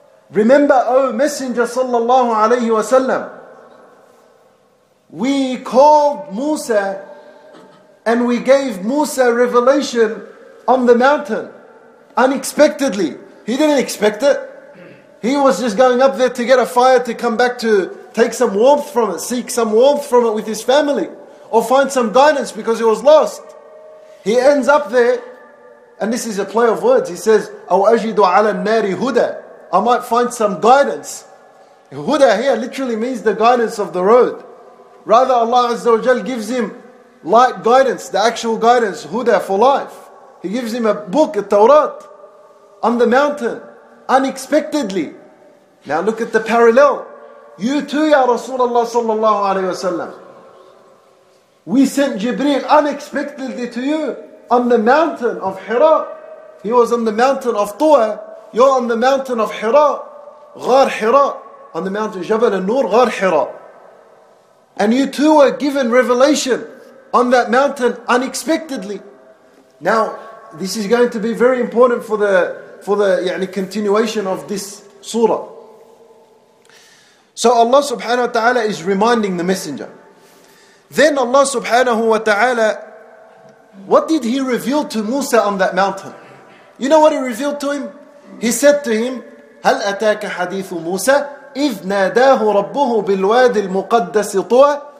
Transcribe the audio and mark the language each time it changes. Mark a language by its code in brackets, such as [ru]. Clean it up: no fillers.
[en] Remember, O Messenger sallallahu alayhi wa sallam, we called Musa and we gave Musa revelation on the mountain unexpectedly. He didn't expect it. He was just going up there to get a fire to come back to take some warmth from it, seek some warmth from it with his family, or find some guidance because he was lost. He ends up there, and this is a play of words. He says, [ar] أَوْ أَجِدُ عَلَى النَّارِ هُدَى. [en] I might find some guidance. Huda here literally means the guidance of the road. Rather, Allah Azza wa Jal gives him light guidance, the actual guidance, huda for life. He gives him a book, a Tawrat, on the mountain, unexpectedly. Now look at the parallel. You too, Ya Rasulullah sallallahu alayhi wa sallam. We sent Jibreel unexpectedly to you on the mountain of Hira. He was on the mountain of Tua. You're on the mountain of Hira. Ghar Hira. On the mountain Jabal al-Nur, Ghar Hira. And you too were given revelation on that mountain unexpectedly. Now, this is going to be very important for the يعني, continuation of this surah. So Allah subhanahu wa ta'ala is reminding the messenger. Then Allah subhanahu wa ta'ala, what did he reveal to Musa on that mountain? You know what he revealed to him? He said to him, [ar] هَلْ أَتَاكَ حَدِيثُ مُوسَى إِذْ نَادَاهُ رَبُّهُ بِالْوَادِ الْمُقَدَّسِ طُوَى.